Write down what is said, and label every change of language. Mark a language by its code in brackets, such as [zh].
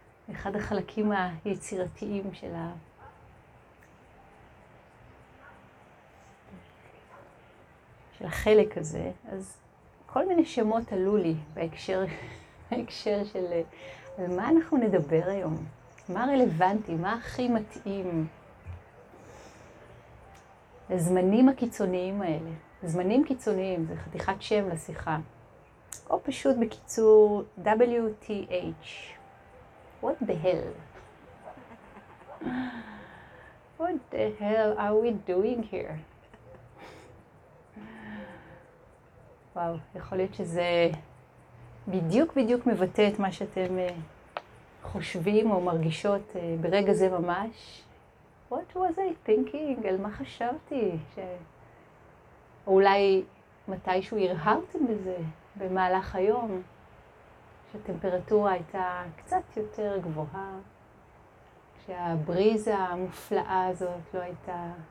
[he] אחד החלקים היצירתיים של של החלק הזה, אז כל מיני שמות עלו לי בהקשר של על מה אנחנו נדבר היום. מה רלוונטי? מה הכי מתאים לזמנים הקיצוניים האלה? זמנים קיצוניים, זה חתיכת שם לשיחה. או פשוט בקיצור, WTH. [en] What the hell? What the hell are we doing here? [he] וואו, יכול להיות שזה בדיוק בדיוק מבטא את מה שאתם חושבים או מרגישות ברגע זה ממש. [en] What was I thinking? [he] על מה חשבתי? אולי מתישהו הרהרתם בזה במהלך היום, שהטמפרטורה הייתה קצת יותר גבוהה, שהבריזה המופלאה הזאת לא הייתה.